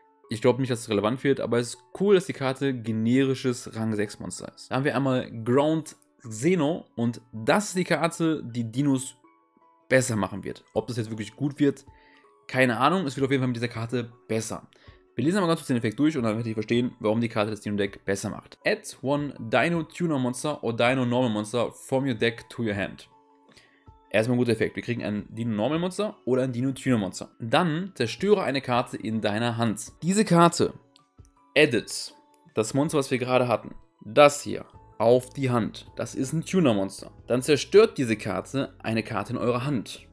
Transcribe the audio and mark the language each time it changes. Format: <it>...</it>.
<de>Ich glaube nicht, dass es relevant wird, aber es ist cool, dass die Karte generisches Rang 6 Monster ist. Da haben wir einmal Ground Xeno und das ist die Karte, die Dinos besser machen wird. Ob das jetzt wirklich gut wird, keine Ahnung, es wird auf jeden Fall mit dieser Karte besser. Wir lesen aber ganz kurz den Effekt durch und dann werde ich verstehen, warum die Karte das Dino Deck besser macht.</de> <en>Add one Dino Tuner Monster or Dino Normal Monster from your deck to your hand.</en> <de>Erstmal ein guter Effekt. Wir kriegen einen Dino Normal Monster oder einen Dino Tuner Monster. Dann zerstöre eine Karte in deiner Hand. Diese Karte edit das Monster, was wir gerade hatten, das hier, auf die Hand. Das ist ein Tuner-Monster. Dann zerstört diese Karte eine Karte in eurer Hand.</de>